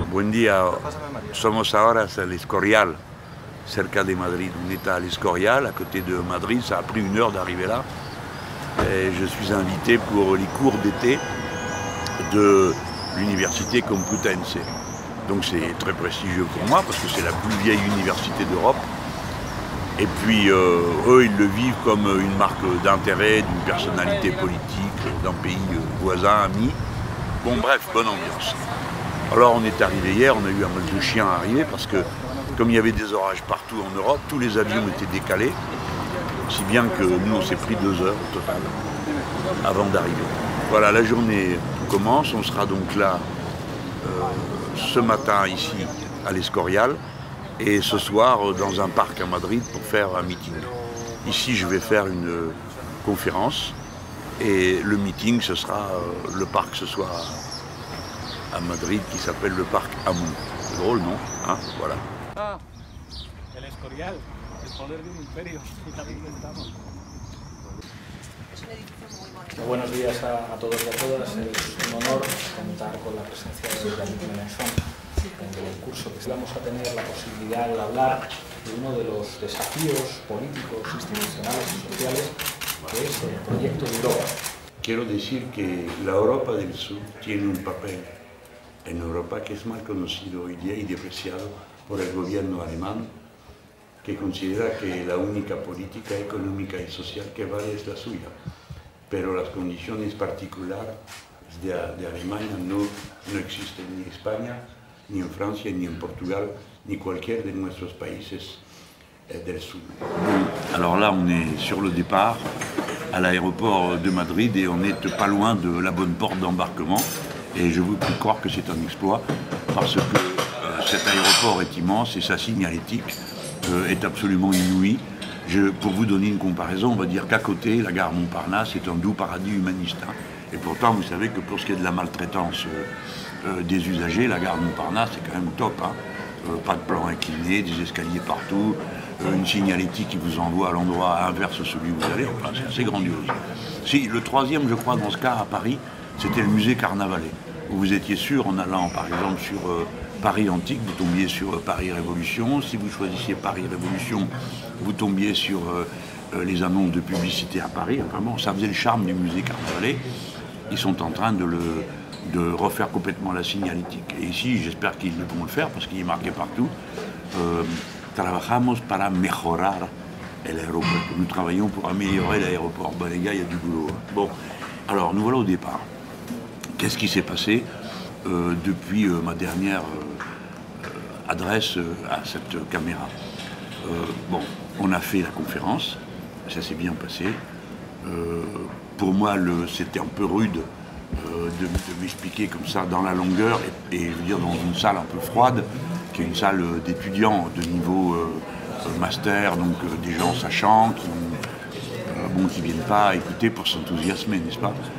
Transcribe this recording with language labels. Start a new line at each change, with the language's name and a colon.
Spanish: día, somos ahora en el Escorial, cerca de Madrid.
French: On est à l'Escorial, à côté de Madrid, ça a pris une heure d'arriver là. Et je suis invité pour les cours d'été de l'université Complutense. Donc c'est très prestigieux pour moi, parce que c'est la plus vieille université d'Europe. Et puis eux, ils le vivent comme une marque d'intérêt d'une personnalité politique d'un pays voisin, ami. Bon bref, bonne ambiance. Alors on est arrivé hier, on a eu un mal de chien à arriver parce que comme il y avait des orages partout en Europe, tous les avions étaient décalés, si bien que nous on s'est pris 2 heures au total avant d'arriver. Voilà, la journée commence, on sera donc là ce matin ici à l'Escorial et ce soir dans un parc à Madrid pour faire un meeting. Ici je vais faire une conférence et le meeting ce sera le parc ce soir à Madrid qui s'appelle le parc Amun. C'est drôle, non? Hein, voilà.
Spanish: El Escorial, el poder de un imperio, y también lo estamos. Buenos días a todos y a todas. Es un honor contar con la presencia de David Menezón en el curso. Vamos a tener la posibilidad de hablar de uno de los desafíos políticos, institucionales y sociales, que es el proyecto de Europa. Quiero decir que la Europa del Sur tiene un papel en Europa que es mal conocido hoy día y depreciado por el gobierno alemán, que considera que la única política económica y social que vale es la suya. Pero las condiciones particulares de Alemania no existen ni en España, ni en Francia, ni en Portugal, ni cualquier de nuestros países del sur.
French: Alors là, on est sur le départ à l'aéroport de Madrid et on est pas loin de la bonne porte d'embarquement. Et je vous prie de croire que c'est un exploit parce que cet aéroport est immense et sa signalétique est absolument inouïe. Pour vous donner une comparaison, on va dire qu'à côté, la gare Montparnasse est un doux paradis humaniste. Hein. Et pourtant, vous savez que pour ce qui est de la maltraitance des usagers, la gare Montparnasse est quand même top. Hein. Pas de plan incliné, des escaliers partout, une signalétique qui vous envoie à l'endroit inverse celui où vous allez. Enfin, c'est assez grandiose. Si, le troisième, je crois, dans ce cas, à Paris, c'était le musée Carnavalet, où vous étiez sûr, en allant, par exemple, sur Paris antique, vous tombiez sur Paris Révolution. Si vous choisissiez Paris Révolution, vous tombiez sur les annonces de publicité à Paris. Vraiment, ça faisait le charme du musée Carnavalet. Ils sont en train de refaire complètement la signalétique. Et ici, j'espère qu'ils vont le faire, parce qu'il est marqué partout.
Spanish: Trabajamos para mejorar el aeropuerto.
French: Nous travaillons pour améliorer l'aéroport. Bon, les gars, il y a du boulot. Bon, alors, nous voilà au départ. Qu'est-ce qui s'est passé depuis ma dernière adresse à cette caméra? Bon, on a fait la conférence, ça s'est bien passé. Pour moi, c'était un peu rude de m'expliquer comme ça dans la longueur et je veux dire dans une salle un peu froide, qui est une salle d'étudiants de niveau master, donc des gens sachant, qui ne viennent pas écouter pour s'enthousiasmer, n'est-ce pas?